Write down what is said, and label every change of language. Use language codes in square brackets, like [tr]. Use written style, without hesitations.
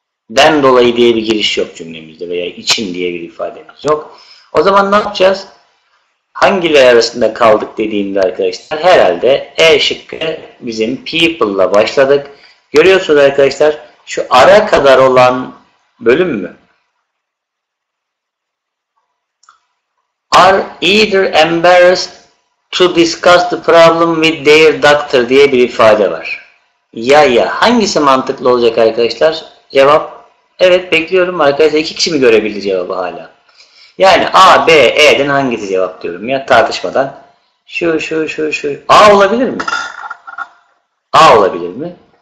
[tr] Den dolayı diye bir giriş yok cümlemizde veya için diye bir ifademiz yok. O zaman ne yapacağız? Hangileri arasında kaldık dediğimde arkadaşlar herhalde E şıkkı bizim people'la başladık. Görüyorsunuz arkadaşlar şu ara kadar olan bölüm mü? [en] Are either embarrassed to discuss the problem with their doctor [tr] diye bir ifade var. Ya hangisi mantıklı olacak arkadaşlar? Cevap evet, bekliyorum arkadaşlar. İki kişi mi görebildi cevabı hala? Yani A, B, E'den hangisi cevap diyorum ya tartışmadan. Şu. A olabilir mi? A olabilir mi?